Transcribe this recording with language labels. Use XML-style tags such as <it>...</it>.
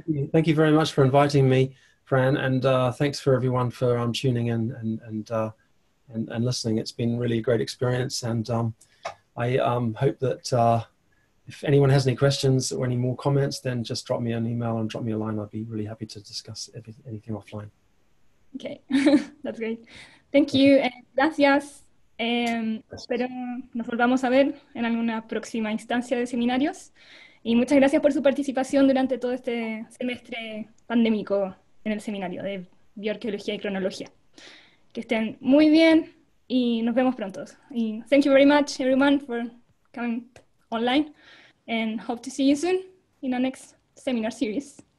<en>Thank you very much for inviting me, Fran, and thanks for everyone for tuning in and listening. It's been really a great experience, and I hope that if anyone has any questions or any more comments, then just drop me an email and drop me a line. I'd be really happy to discuss anything offline. Okay, that's great. Thank you, and gracias.</en> <es>Espero nos volvamos a ver en alguna próxima instancia de seminarios. Y muchas gracias por su participación durante todo este semestre pandémico en el seminario de bioarqueología y cronología. Que estén muy bien y nos vemos pronto.</es> <en>Y thank you very much, everyone, for coming online. And hope to see you soon in our next seminar series.</en>